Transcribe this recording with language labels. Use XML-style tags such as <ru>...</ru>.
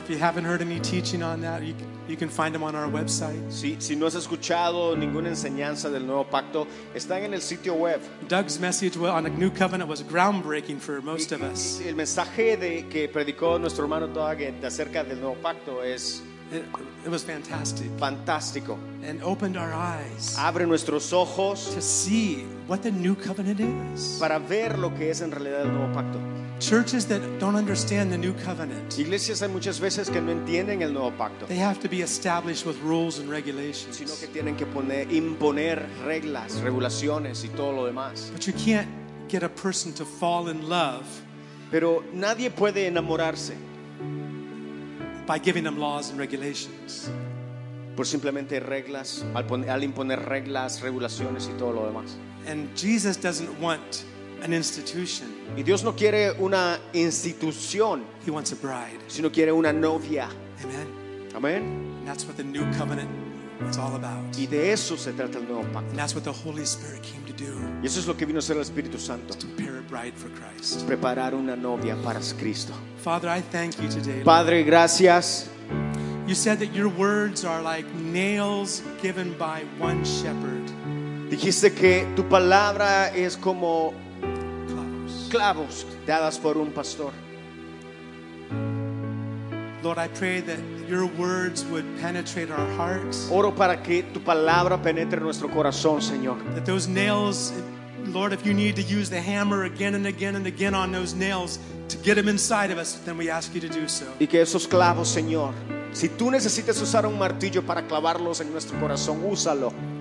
<en>If you haven't heard any teaching on that, you can find them on our website.</en> <es>Si no has escuchado ninguna enseñanza del nuevo pacto, están en el sitio web.</es> <en>Doug's message on the new covenant was groundbreaking for most of us.</en> <es>El mensaje de que predicó nuestro hermano Doug acerca del nuevo pacto es</es> <en>it was fantastic.</en> <es>Fantástico.</es> <en>And opened our eyes.</en> <es>Abre nuestros ojos.</es> <en>To see what the new covenant is.</en> <es>Para ver lo que es en realidad el nuevo pacto.</es> <en>Churches that don't understand the new covenant.</en> <es>Iglesias hay muchas veces que no entienden el nuevo pacto.</es> <en>They have to be established with rules and regulations.</en> <es>Sino que tienen que imponer reglas, regulaciones y todo lo demás.</es> <en>But you can't get a person to fall in love.</en> <es>Pero nadie puede enamorarse.</es> <en>By giving them laws and regulations.</en> <es>Por simplemente reglas, al imponer reglas, regulaciones y todo lo demás.</es> <en>And Jesus doesn't want an institution.</en> <es>Y Dios no quiere una institución.</es> <en>He wants a bride.</en> <es>Sino quiere una novia.</es> <en>Amen.</en> <es>Amen.</es> <en>And that's what the new covenant is all about.</en> <es>Y de eso se trata el nuevo pacto.</es> <en>And that's what the Holy Spirit came to do.</en> <es>Y eso es lo que vino a hacer el Espíritu Santo.</es> <en>To prepare a bride for Christ.</en> <es>Preparar una novia para Cristo.</es> <en>Father, I thank you today.</en> <es>Padre, gracias.</es> <en>You said that your words are like nails given by one shepherd.</en> <es>Dijiste que tu palabra es como clavos dadas por un pastor.</es> <en>Lord, I pray that your words would penetrate our hearts.</en> <es>Oro para que tu palabra penetre nuestro corazón, Señor.</es> <en>That those nails, Lord, if you need to use the hammer again and again and again on those nails to get them inside of us, then we ask you to do so.</en> <es>Y que esos clavos, Señor, si tú necesitas usar un martillo para clavarlos en nuestro corazón, úsalo.</es>